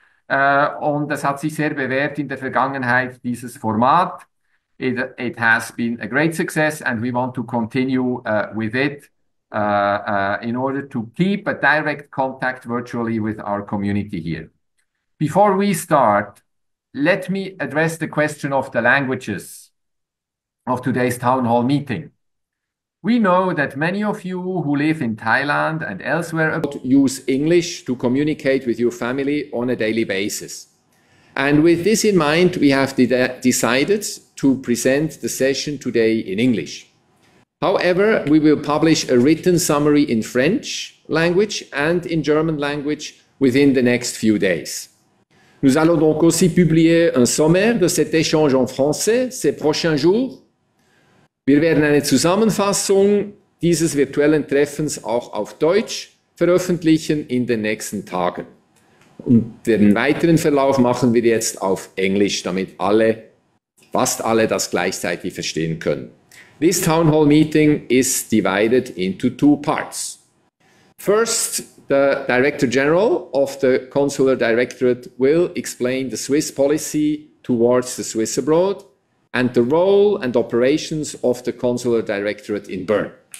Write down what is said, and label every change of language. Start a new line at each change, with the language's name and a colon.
German: Und das hat sich sehr bewährt in der Vergangenheit, dieses Format.
English: It has been a great success and we want to continue with it. In order to keep a direct contact virtually with our community here. Before we start, let me address the question of the languages of today's town hall meeting. We know that many of you who live in Thailand and elsewhere use English to communicate with your family on a daily basis. And with this in mind, we have decided to present the session today in English. However, we will publish a written summary in French language and in German language within the next few days.
French: Nous allons donc aussi publier un sommaire de cet échange en français ces prochains jours.
German: Wir werden eine Zusammenfassung dieses virtuellen Treffens auch auf Deutsch veröffentlichen in den nächsten Tagen. Und den weiteren Verlauf machen wir jetzt auf Englisch, damit alle, fast alle das gleichzeitig verstehen können.
English: This town hall meeting is divided into two parts. First, the Director General of the Consular Directorate will explain the Swiss policy towards the Swiss abroad and the role and operations of the Consular Directorate in Bern.